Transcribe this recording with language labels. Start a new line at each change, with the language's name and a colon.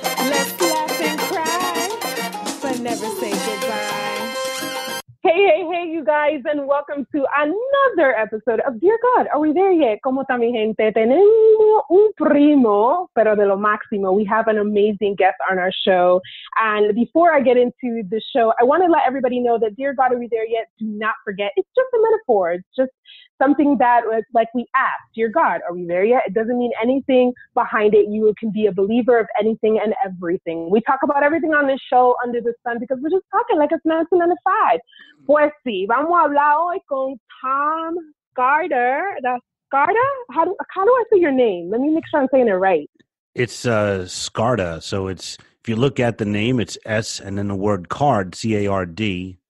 English: Let's laugh and cry, but never say goodbye. Hey, hey, hey, you guys, and welcome to another episode of Dear God. Are we there yet?
Spanish: ¿Cómo está mi gente? Tenemos un primo, pero de lo máximo.
English: We have an amazing guest on our show. And before I get into the show, I want to let everybody know that Dear God, are we there yet? Do not forget. It's just a metaphor. It's just something that was like we asked, Dear God, are we there yet? It doesn't mean anything behind it. You can be a believer of anything and everything. We talk about everything on this show under the sun because we're just talking like it's 1995.
Spanish: Pues sí, vamos a hablar hoy con Tom Garter.
English: Garter? How do I say your name? Let me make sure I'm saying it right. It's Scarta. So it's, if you look at the name, it's S and then the word card, C-A-R-D.